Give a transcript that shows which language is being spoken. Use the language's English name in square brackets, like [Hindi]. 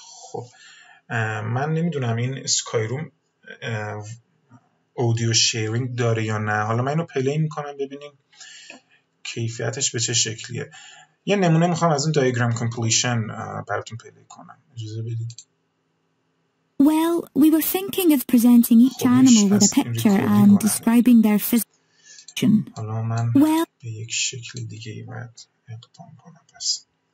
[Persian] خب من نمیدونم این سکایروم اودیو شیرینگ داره یا نه، حالا من اینو پلی میکنم ببینیم کیفیتش به چه شکلیه. یه نمونه میخوام از این دایگرام کمپلیشن براتون پلی کنم، اجازه بدید. [English] Well, we were thinking of presenting each animal with a picture and describing their physiology. [Persian] حالا من به یک شکل دیگه ای باید اقدام کنم. پس